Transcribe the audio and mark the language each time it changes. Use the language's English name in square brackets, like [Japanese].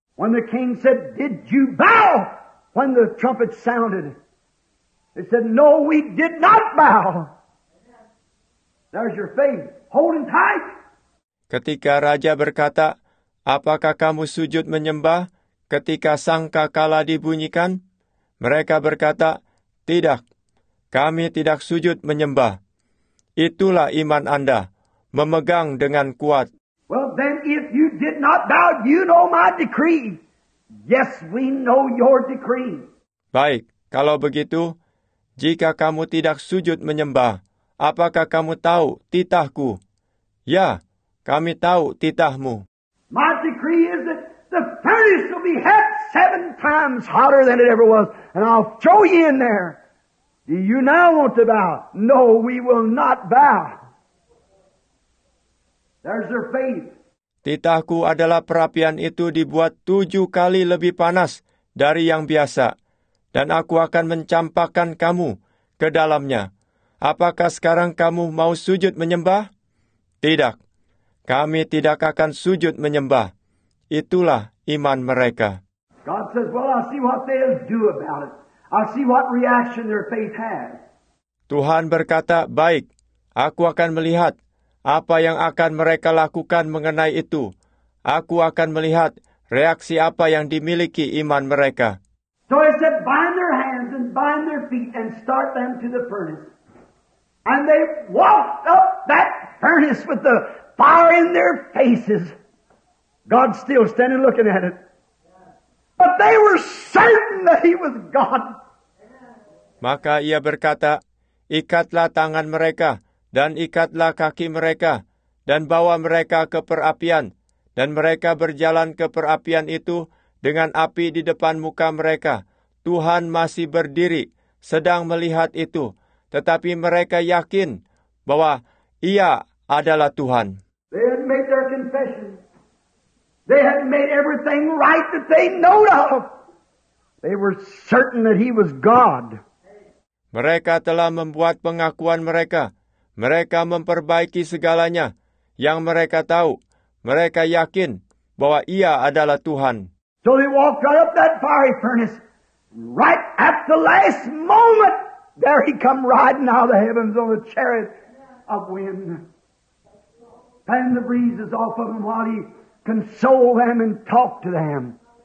[English] When the king said, did you bow? When the trumpet sounded, they said, no, we did not bow. There's your faith. Holding tight. [Indonesian] Ketika raja berkata, apakah kamu sujud menyembah? Ketika sangkakala dibunyikan, mereka berkata, tidak, kami tidak sujud menyembah. Itulah iman Anda, memegang dengan kuat. [English] Well, then if you did not bow, you know my decree. Yes, we know your decree. [Indonesian] Baik, kalau begitu, jika kamu tidak sujud menyembah, apakah kamu tahu titahku? Ya, kami tahu titahmu. [English] My decree is that the furnace will be hot 7 times hotter than it ever was, and I'll throw you in there. Do you now want to bow? No, we will not bow. There's their faith. [Indonesian] Titahku adalah perapian itu dibuat 7 kali lebih panas dari yang biasa, dan aku akan mencampakkan kamu ke dalamnya. Apakah sekarang kamu mau sujud menyembah? Tidak, kami tidak akan sujud menyembah. Itulah iman mereka. [English] God says, well, I'll see what they'll do about it. I'll see what reaction their faith has. [Indonesian] Tuhan berkata, baik, aku akan melihat apa yang akan mereka lakukan mengenai itu. Aku akan melihat reaksi apa yang dimiliki iman mereka. [English] So he said, bind their hands and bind their feet and start them to the furnace. And they walked up that furnace with the fire in their faces. God still standing looking at it. But they were certain that he was God. [Indonesian] Maka ia berkata, ikatlah tangan mereka dan ikatlah kaki mereka dan bawa mereka ke perapian. Dan mereka berjalan ke perapian itu dengan api di depan muka mereka. Tuhan masih berdiri sedang melihat itu. Tetapi mereka yakin bahwa ia adalah Tuhan. [English] They had made their confession. They had made everything right that they know of. They were certain that he was God. [Indonesian] Mereka telah membuat pengakuan mereka. Mereka memperbaiki segalanya yang mereka tahu. Mereka yakin bahwa ia adalah Tuhan. [English] So they walked right up that fiery furnace. Right at the last moment, there he come riding out of the heavens on a chariot of wind. Fanned the breezes off of him while he consoled them and talked to them.